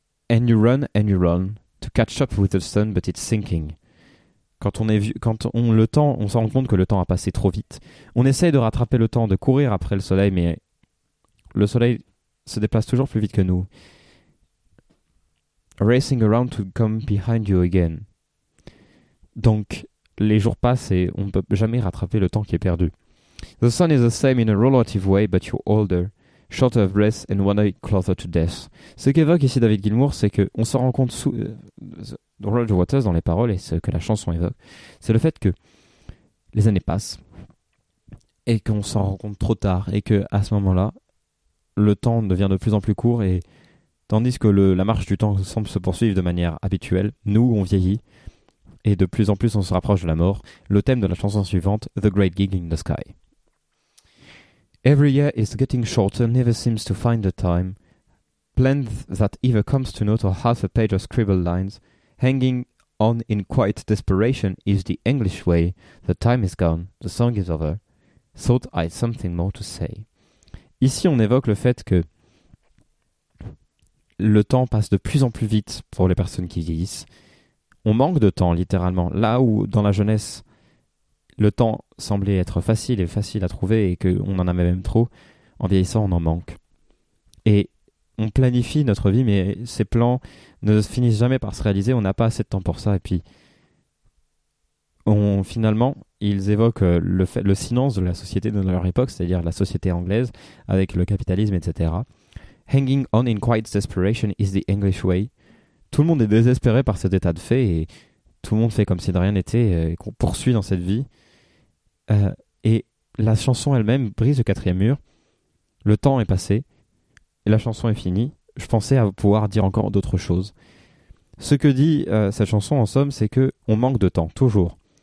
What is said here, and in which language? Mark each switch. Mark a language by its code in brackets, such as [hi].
[en] and you run to catch up with the sun, but it's sinking. [fr] Quand on est vieux, on se rend compte que le temps a passé trop vite. On essaye de rattraper le temps, de courir après le soleil, mais le soleil se déplace toujours plus vite que nous. [en] Racing around to come behind you again. [fr] Donc, les jours passent et on ne peut jamais rattraper le temps qui est perdu. [en] The sun is the same in a relative way, but you're older. Shorter of breath and one eye closer to death. [fr] Ce qu'évoque ici David Gilmour, c'est qu'on s'en rend compte sous Roger Waters dans les paroles et ce que la chanson évoque, c'est le fait que les années passent et qu'on s'en rend compte trop tard et qu'à ce moment-là, le temps devient de plus en plus court et tandis que la marche du temps semble se poursuivre de manière habituelle, nous, on vieillit et de plus en plus on se rapproche de la mort. Le thème de la chanson suivante, The Great Gig in the Sky. [en] Every year is getting shorter, never seems to find the time. Plans that either comes to note or half a page of scribbled lines. Hanging on in quiet desperation is the English way. The time is gone, the song is over. Thought I had something more to say. [fr] Ici, on évoque le fait que le temps passe de plus en plus vite pour les personnes qui vieillissent. On manque de temps, littéralement. Là où, dans la jeunesse, le temps semblait être facile et facile à trouver et qu'on en avait même trop, en vieillissant, on en manque. Et on planifie notre vie, mais ces plans ne finissent jamais par se réaliser, on n'a pas assez de temps pour ça. Et puis, finalement, ils évoquent le silence de la société de leur époque, c'est-à-dire la société anglaise, avec le capitalisme, etc. [en] Hanging on in quiet desperation is the English way. [fr] Tout le monde est désespéré par cet état de fait et tout le monde fait comme si de rien n'était et qu'on poursuit dans cette vie. Et la chanson elle-même brise le quatrième mur. Le temps est passé et la chanson est finie. Je pensais à pouvoir dire encore d'autres choses. Ce que dit cette chanson en somme, c'est que on manque de temps, toujours.